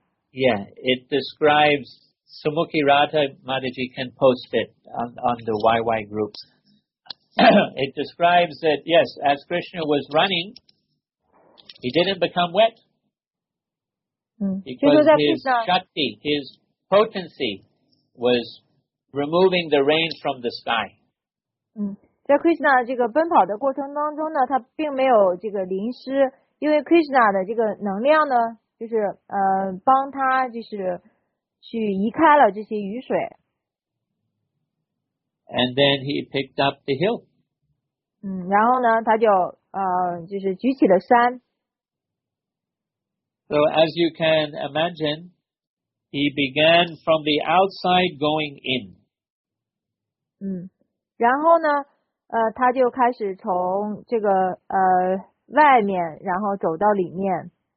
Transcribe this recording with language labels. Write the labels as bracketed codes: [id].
[en] It describes Sumukhi Radha Mataji can post it on the YY group. It describes that, yes, as Krishna was running, he didn't become wet. Because his shakti, his potency was removing the rain from the sky. [zh] 在 Krishna 这个奔跑的过程当中呢，他并没有这个淋湿，因为 Krishna 的这个能量呢就是帮他就是去移开了这些雨水。 [en] And then he picked up the hill. [zh] 然后呢他就就是举起了山。 [en] So as you can imagine, he began from the outside going in. [zh] 然后呢他就开始从这个外面然后走到里面。